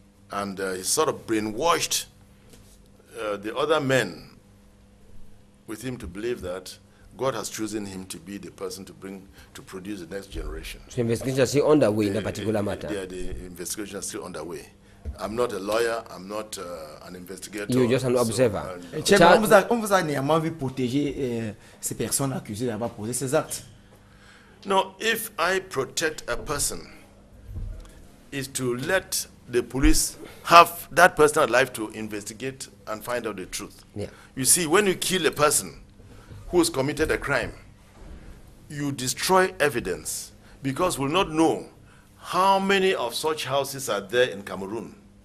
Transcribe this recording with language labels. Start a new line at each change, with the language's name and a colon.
English: And he sort of brainwashed the other men with him to believe that God has chosen him to be the person to bring to produce the next generation. So investigations are still underway in that particular matter? Yeah, the investigations are still underway. I'm not a lawyer, I'm not an investigator. You're just an observer.
French: On vous a néanmoins vu protéger ces personnes accusées d'avoir posé ces actes?
English: No, if I protect a person, is to let the police have that person's life to investigate and find out the truth. Yeah. You see, when you kill a person who has committed a crime, you destroy evidence because we'll not know how many of such houses are there in Cameroon.